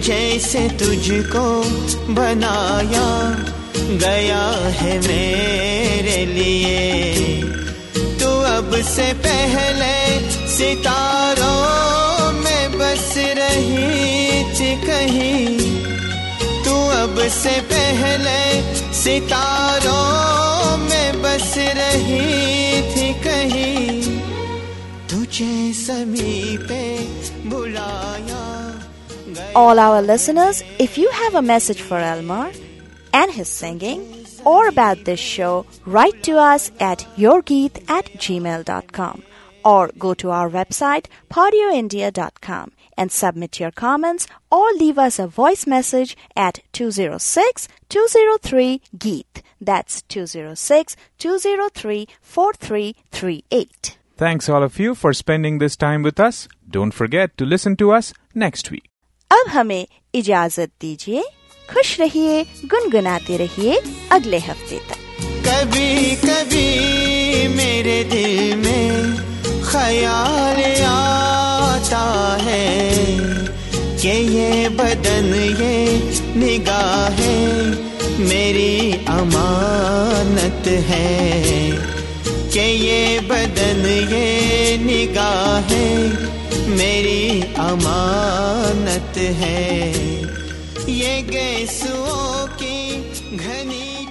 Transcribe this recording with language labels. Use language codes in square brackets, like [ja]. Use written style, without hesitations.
[hi] जैसे तुझको बनाया गया है मेरे लिए, तू अब से पहले सितारों में बस रही थी कहीं, तू अब से पहले सितारों में बस रही थी कहीं, तुझे समीपे बुलाया गया। [en] All our listeners, if you have a message for Elmar and his singing, or about this show, write to us at yourgeet@gmail.com or go to our website podioindia.com and submit your comments or leave us a voice message at 206-203-GEET. That's 206-203-4338. Thanks all of you for spending this time with us. Don't forget to listen to us next week. [hi] Ab hame ijazat dijiye. खुश रहिए, गुनगुनाते रहिए अगले हफ्ते तक। कभी कभी मेरे दिल में ख्याल आता है कि ये बदन ये निगाहें मेरी अमानत है, कि ये बदन ये निगाहें मेरी अमानत है, ये गैसों की घनी